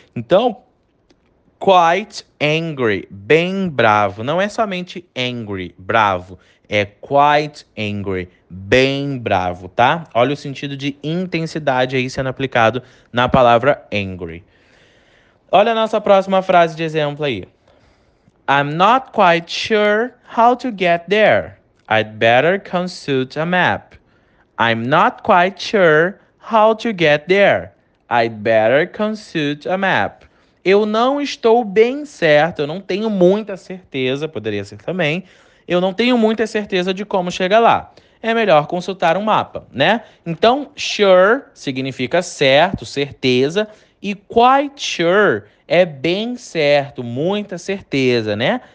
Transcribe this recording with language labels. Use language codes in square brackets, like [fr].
[pt] Então, quite angry, bem bravo. Não é somente angry, bravo. É quite angry, bem bravo, tá? Olha o sentido de intensidade aí sendo aplicado na palavra angry. Olha a nossa próxima frase de exemplo aí. [en] I'm not quite sure how to get there. I'd better consult a map. I'm not quite sure how to get there. I'd better consult a map. [pt] Eu não estou bem certo, eu não tenho muita certeza, poderia ser também. Eu não tenho muita certeza de como chegar lá. É melhor consultar um mapa, né? Então, sure significa certo, certeza. E quite sure é bem certo, muita certeza, né?